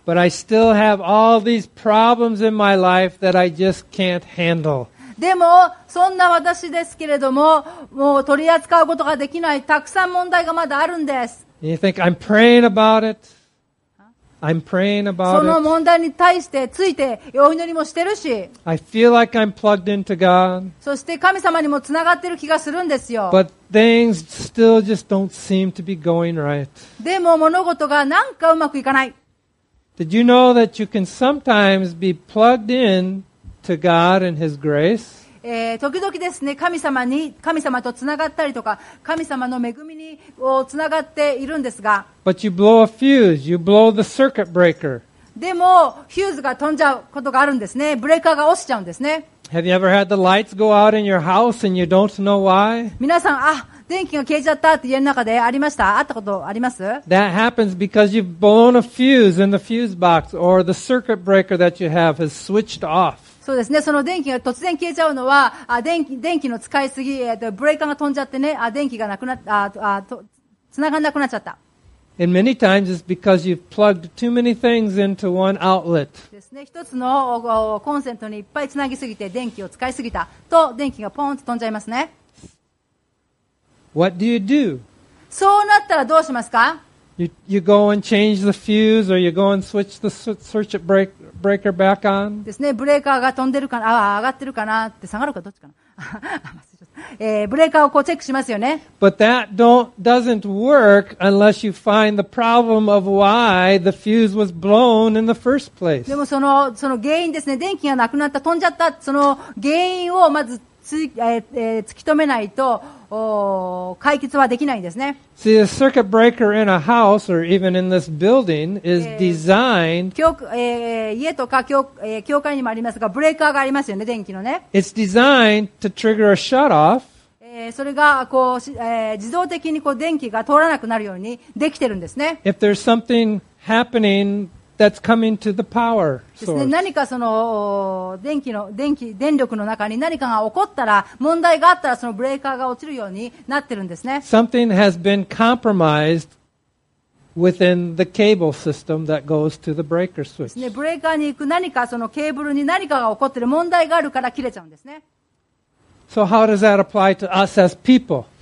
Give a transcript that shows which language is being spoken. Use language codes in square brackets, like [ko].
[en] But I still have all these problems in my life that I just can't handle. [ja] でも、そんな私ですけれども、もう取り扱うことができないたくさん問題がまだあるんです。 [en] And you think, I'm praying about it. I'm praying about [ja] その問題に対してついてお祈りもしてるし [en] I feel、like、I'm plugged into God. [ja] そして神様にもつながってる気がするんですよ [en] But things still just don't seem to be going right. [ja] でも物事がなんかうまくいかない [en] Did you know that you can sometimes be plugged in to God and His grace? [ja] 時々ですね神様に神様とつながったりとか神様の恵みにをつながっているんですが [en] But you blow a fuse. You blow the circuit breaker. [ja] でもフューズが飛んじゃうことがあるんですねブレーカーが落ちちゃうんですね [en] Have you ever had the lights go out in your house and you don't know why? [ja] 皆さんあ電気が消えちゃったって家の中でありましたあったことあります [en] That happens because you've blown a fuse in the fuse box or the circuit breaker that you have has switched off [ja] そうですね。その電気が突然消えちゃうのは、電気の使いすぎ、ブレーカーが飛んじゃってね、電気がなくなった、つながんなくなっちゃった。 [en] And many times it's because you've plugged too many things into one outlet. [ja] ですね。一つのコンセントにいっぱいつなぎすぎて電気を使いすぎたと電気がポーンと飛んじゃいますね。 [en] What do you do? [ja] そうなったらどうしますか [en] You go and change the fuse or you go and switch the circuit breakbreaker back on [ja] ですね。ブレーカーが飛んでるかな、あ、上がってるかなって下がるかどっちかな。ブレーカーをこうチェックしますよね。 [en] But that doesn't work unless you find the problem of why the fuse was blown in the first place. [ja] でもその原因ですね。電気がなくなった、飛んじゃったその原因をまず突き止めないと解決はできないんですね。 [en] See, a circuit breaker in a house or even in this building is designed. [ja] 家とか教会にもありますが、ブレーカーがありますよね、電気のね。 [en] It's designed to trigger a shut off. [ja] それがこう自動的にこう電気が通らなくなるようにできてるんですね。 [en] If there's something happening. That's coming to the power source. [ja] ですね。何かその電力の中に何かが起こったら問題があったらそのブレーカーが落ちるようになってるんですね。 [en] Something has been compromised within the cable system that goes to the breaker switch. [ja] ですね。ブレーカーに行く何かそのケーブルに何かが起こってる問題があるから切れちゃうんですね。 [en] So how does that apply to us as people?